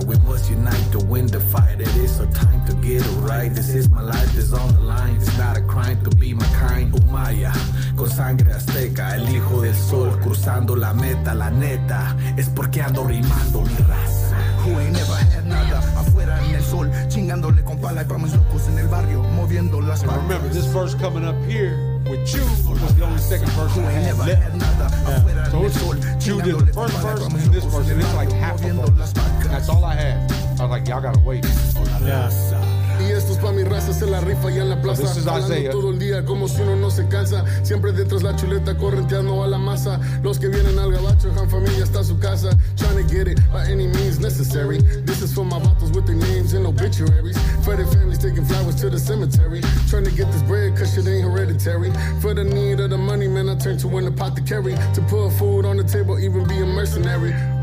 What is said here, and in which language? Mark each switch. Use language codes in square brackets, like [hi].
[en] We must unite to win the fight, it is our time to get it right. This is my life, this is on the line, it's not a crime to be my kind. [es] Umaya, con sangre azteca, el hijo del sol, cruzando la meta, la neta. Es porque ando rimando mi raza. Who ain't never had nada afuera en el sol, chingándole con pala y pa' mis locos en el barrio, moviendo las palmas. [en] Remember, this verse coming up here with Chew was the only second verse. [es] Who ain't never had nada afuera en el sol, chingándole con pala y pa' mis locos en el barrio, moviendo las palmas. [en] And it's like half of them. That's all I had. I was like, y'all gotta wait. [es] Y esto es pa' mi raza, se la rifa ya en la plaza. Hablando todo el día como si uno no se cansa. Siempre detrás la chuleta correnteando a la masa. Los que vienen al gabacho, han familia hasta su casa. [en] Trying to get it by any means necessary. This is for my vatos with their names and obituaries. For their families taking flowers to the cemetery. Trying to get this bread cause shit ain't hereditary. For the need of the money, man, I turn to an apothecary. To put food on the table, even be a mercenary.